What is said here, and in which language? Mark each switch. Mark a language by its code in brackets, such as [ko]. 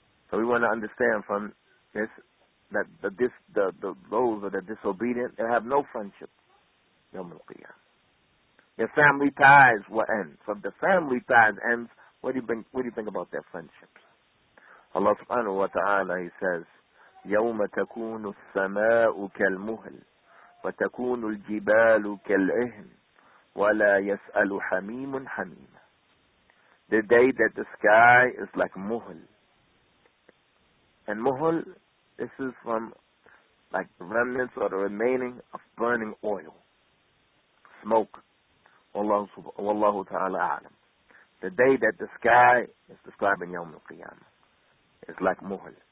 [en] So we want to understand from this that those that are disobedient, they have no friendship. Their family ties will end. So if the family ties ends, what do you think about their friendships? Allah subhanahu wa ta'ala, He says, [ar] يَوْمَ تَكُونُ السَّمَاءُ كَالْمُهْلِ وَتَكُونُ الْجِبَالُ كَالْعِهْنِ وَلَا يَسْأَلُ حَمِيمٌ حَمِيمًا. [en] The day that the sky is like muhl. And muhl, this is from like remnants or the remaining of burning oil, smoke. Wallahu ta'ala a'lam. The day that the sky is describing Yawm al-Qiyamah is like muhl.